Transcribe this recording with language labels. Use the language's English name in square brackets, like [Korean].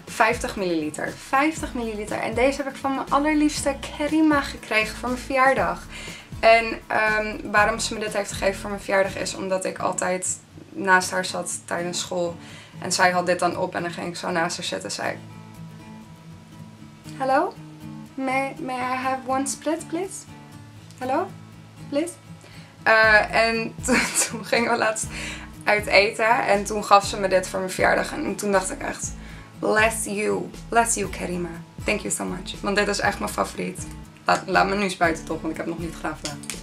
[Dutch] 50 milliliter. 50 milliliter. En deze heb ik van mijn allerliefste Kerima gekregen voor mijn verjaardag. En waarom ze me dit heeft gegeven voor mijn verjaardag is omdat ik altijd naast haar zat tijdens school. En zij had dit dan op en dan ging ik zo naast haar zitten en zei: hallo? [English] May I have one split, please? [Dutch] Hallo? [English] Please? [Dutch] En toen gingen we laatst uit eten en toen gaf ze me dit voor mijn verjaardag. En toen dacht ik echt: [English] Bless you, Kerima. Thank you so much. [Dutch] Want dit is echt mijn favoriet. Laat me nu eens buiten toch, want ik heb nog niet gedaan vandaag.